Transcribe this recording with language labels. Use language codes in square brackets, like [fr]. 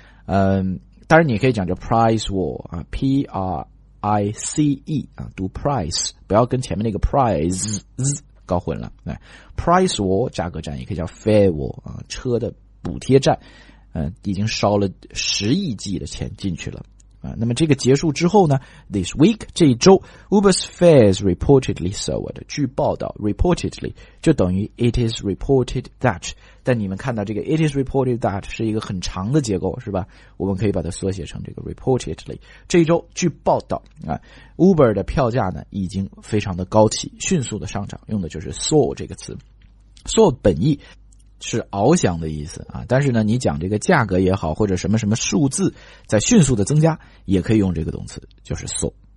[zh] 当然你可以讲叫 price war 啊 ，P R I C E 啊，读 price， 不要跟前面那个 price 搞混了。哎、price war 价格战也可以叫 fare war 啊，车的补贴战。嗯、已经烧了十亿计的钱进去了。那么这个结束之后呢 ？ [en] This week [zh] 这一周 ， [en] Uber's fares reportedly soared。 [zh] 据报道 ，reportedly 就等于 [en] it is reported that。 [zh] 但你们看到这个 [en] it is reported that [zh] 是一个很长的结构，是吧？我们可以把它缩写成这个 reportedly。这一周据报道啊 ，Uber 的票价呢已经非常的高起，迅速的上涨，用的就是 soar 这个词。 soar 本意是翱翔的意思啊，但是呢你讲这个价格也好或者什么什么数字在迅速的增加也可以用这个动词就是 so。